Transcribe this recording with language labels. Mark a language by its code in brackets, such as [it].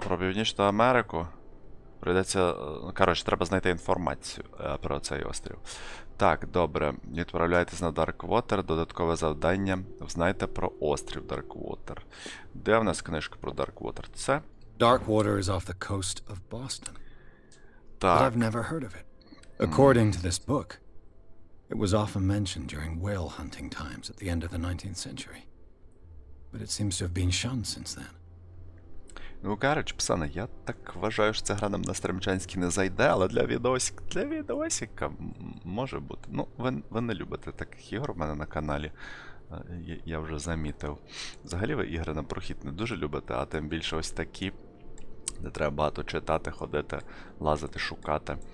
[uk] Про Північну Америку? Прийдеться, коротше, треба знайти інформацію про цей острів. Так, добре, відправляйтесь на Darkwater, додаткове завдання, знайте про острів Darkwater. Де в нас книжка про Darkwater? Це? [en] Darkwater is off the coast of Boston. [uk] Так. [en] But I've never heard of it. According to this book, it was often mentioned during whale hunting times at the end of the 19th century. But it seems to have been shunned since then. [uk] Ну, короче, пацани, я так вважаю, що ця гра нам на стримчанський не зайде, але для відосика може бути. Ну, ви не любите таких ігор в мене на каналі, я вже замітив. Взагалі ви ігри на прохід не дуже любите, а тим більше ось такі, де треба багато читати, ходити, лазити, шукати.